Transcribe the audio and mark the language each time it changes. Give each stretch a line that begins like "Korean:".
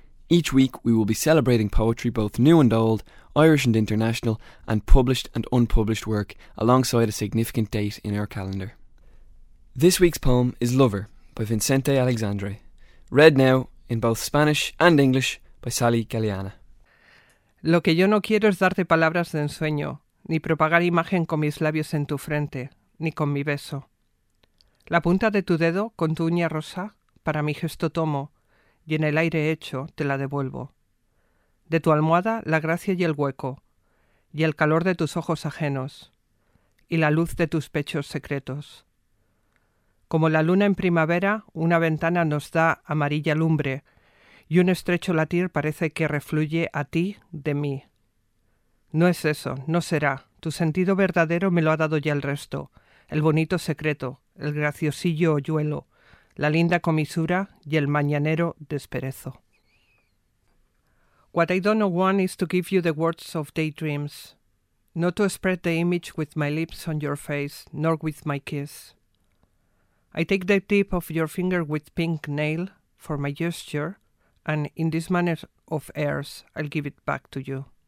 English: Each week, we will be celebrating poetry, both new and old, Irish and international, and published and unpublished work, alongside a significant date in our calendar. This week's poem is Lover by Vicente Alexandre, read now in both Spanish and English by Sally Galeana.
Spanish: Lo que yo no quiero es darte palabras de ensueño, ni propagar imagen con mis labios en tu frente, ni con mi beso. La punta de tu dedo, con tu uña rosa, para mi gesto tomo, y en el aire hecho te la devuelvo. De tu almohada, la gracia y el hueco, y el calor de tus ojos ajenos, y la luz de tus pechos secretos. Como la luna en primavera, una ventana nos da amarilla lumbre, y un estrecho latir parece que refluye a ti de mí. No es eso, no será. Tu sentido verdadero me lo ha dado ya el resto. El bonito secreto, el graciosillo hoyuelo, la linda comisura y el mañanero desperezo.
English: What I don't know one is to give you the words of daydreams, not to spread the image with my lips on your face, nor with my kiss. I take the tip of your finger with pink nail for my gesture, and in this manner of airs, I'll give it back to you.